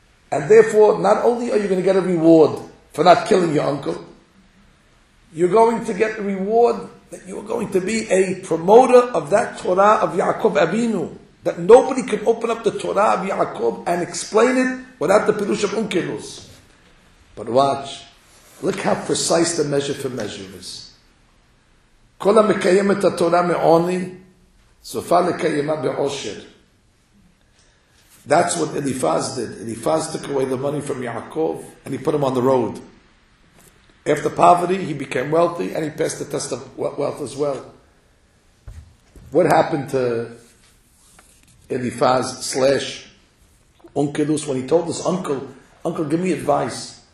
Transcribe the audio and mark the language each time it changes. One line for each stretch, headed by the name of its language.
English: And therefore, not only are you going to get a reward for not killing your uncle, you're going to get the reward that you're going to be a promoter of that Torah of Yaakov Avinu, that nobody can open up the Torah of Yaakov and explain it without the Pirush of Unkelos. But watch, look how precise the measure for measure is.
Hebrew: כל המקיים את התורה מעוני, סופה לקיימה בעושר.
English: That's what Eliphaz did. Eliphaz took away the money from Yaakov, and he put him on the road. After poverty, he became wealthy, and he passed the test of wealth as well. What happened to Eliphaz / Unkelos when he told his uncle, "Uncle, give me advice."